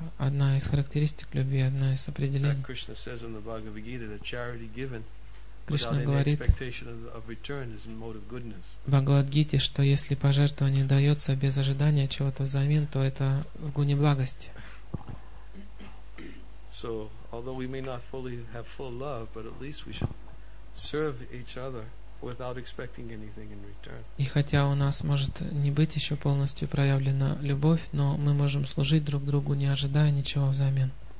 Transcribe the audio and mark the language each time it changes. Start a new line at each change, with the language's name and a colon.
Russian: Одна из характеристик любви, одна из определений.
English: Like Krishna says in the Bhagavad Gita, that charity given
Russian: Кришна говорит в Бхагавад-гите, что если пожертвование дается без ожидания чего-то взамен, то это в гуне благости.
English: So, although we may not fully have full love, but at least we should serve each other without expecting anything in return.
Russian: И хотя у нас может не быть еще полностью проявлена любовь, но мы можем служить друг другу, не ожидая ничего взамен.